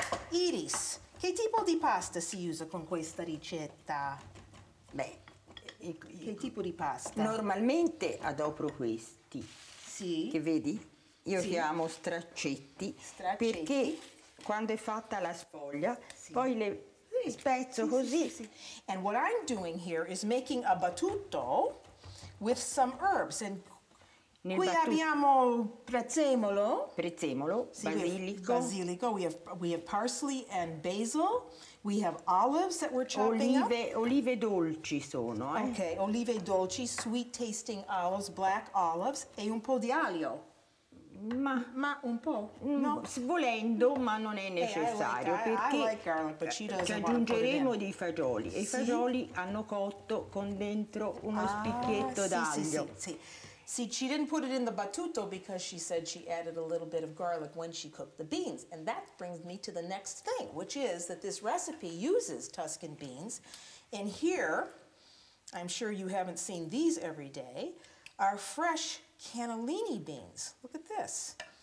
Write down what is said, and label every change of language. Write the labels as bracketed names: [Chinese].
[Italian] Iris, che tipo di pasta si usa con questa ricetta? Beh, che tipo di pasta? Normalmente adopero questi. Sì. Che vedi? Io chiamo straccetti. Straccetti. Perché quando è fatta la sfoglia, poi le spezzo così. Sì. [English] And what I'm doing here is making a battuto with some herbs. And [Italian] nel qui battuto abbiamo prezzemolo. Prezzemolo, basilico. [English] Basilico. We have parsley and basil. We have olives that we're chopping [Italian] olive, [English] up. [Italian] Olive dolci sono, eh? [English] Okay, [Italian] olive dolci, [English] sweet tasting olives, black olives, [Italian] e un po' di aglio. Ma un po', no? Volendo, ma non è necessario. Hey, perché aggiungeremo dei fagioli. E sì? I fagioli hanno cotto con dentro uno spicchietto d'aglio. Sì, sì, sì. [English] See, she didn't put it in the battuto because she said she added a little bit of garlic when she cooked the beans. And that brings me to the next thing, which is that this recipe uses Tuscan beans. And here, I'm sure you haven't seen these every day, are fresh cannellini beans. Look at this.